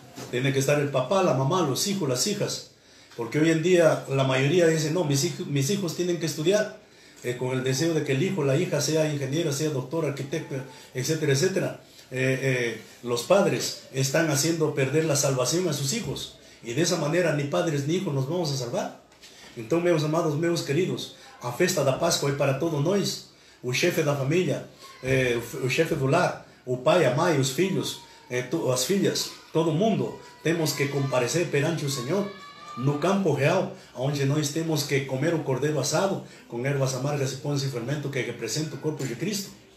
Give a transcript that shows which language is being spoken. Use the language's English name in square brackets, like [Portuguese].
[Portuguese] Tem que estar o papá, a mamá, os filhos, as filhas. Porque hoje em dia a maioria diz, não, [Spanish] mis hijos [Portuguese] têm que estudar. Com o desejo de que o filho, a hija seja ingeniera, seja doctor, arquitecto, etc. etc. Os padres estão fazendo perder a salvação a seus filhos. [Spanish] E dessa maneira, ni padres ni hijos nos vamos a salvar. [Portuguese] Então, meus amados, meus queridos, a festa da Páscoa é para todos nós. O chefe da família, o chefe do lar, o pai, a mãe, os filhos, as filhas, todo mundo, temos que comparecer perante o Senhor no campo real, onde nós temos que comer o cordeiro assado com ervas amargas e pão sem fermento que representa o corpo de Cristo.